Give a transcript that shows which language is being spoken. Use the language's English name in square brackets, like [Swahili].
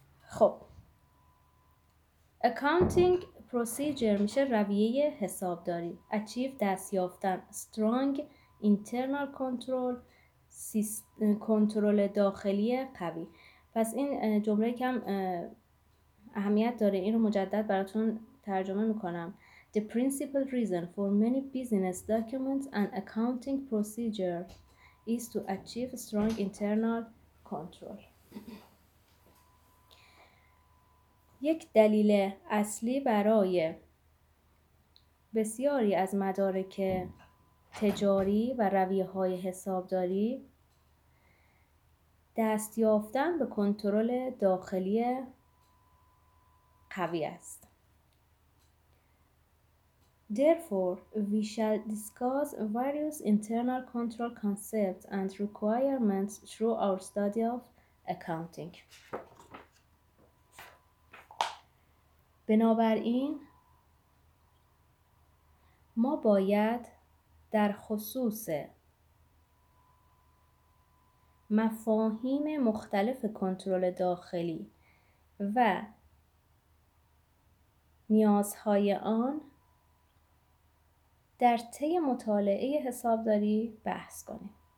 [Persian] خب [English] accounting procedure [Persian] میشه رویه حسابداری، achieve دست یافتن، [English] strong internal control [Persian] کنترل داخلی قوی. پس این جمله کم اهمیت داره، این رو مجدد براتون ترجمه میکنم. [English] The principal reason for many business documents and accounting procedure is to achieve strong internal control. [Persian] یک دلیل اصلی برای بسیاری از مدارک تجاری و رویه های حسابداری دست یافتن به کنترل داخلی قوی است. [English] Therefore, we shall discuss various internal control concepts and requirements through our study of accounting. [Persian] بنابراین ما باید در خصوص مفاهیم مختلف کنترل داخلی و نیازهای آن در طی مطالعه حسابداری بحث کنیم.